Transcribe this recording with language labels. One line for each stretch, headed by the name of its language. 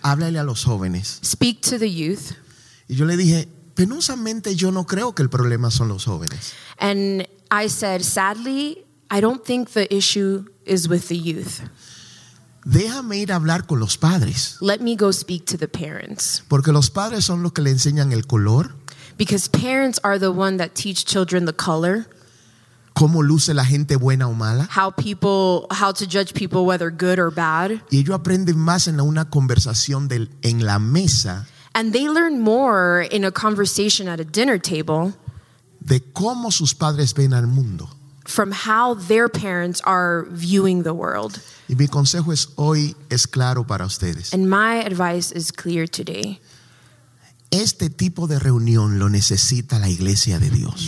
Spanish: Háblale a los jóvenes.
English: Speak to the youth.
Spanish: Y yo le dije, penosamente yo no creo que el problema son los jóvenes.
English: And I said, sadly, I don't think the issue is with the youth.
Spanish: Déjame ir a hablar con los padres.
English: Let me go speak to the parents.
Spanish: Porque los padres son los que le enseñan el color.
English: Because parents are the one that teach children the color.
Spanish: Cómo luce la gente buena o mala.
English: How to judge people whether good or bad.
Spanish: Y ellos aprenden más en una conversación en la mesa.
English: And they learn more in a conversation at a dinner table.
Spanish: De cómo sus padres ven al mundo.
English: From how their parents are viewing the world.
Spanish: Y mi consejo es hoy es claro para ustedes.
English: And my advice is clear today.
Spanish: Este tipo de reunión lo necesita la iglesia de Dios.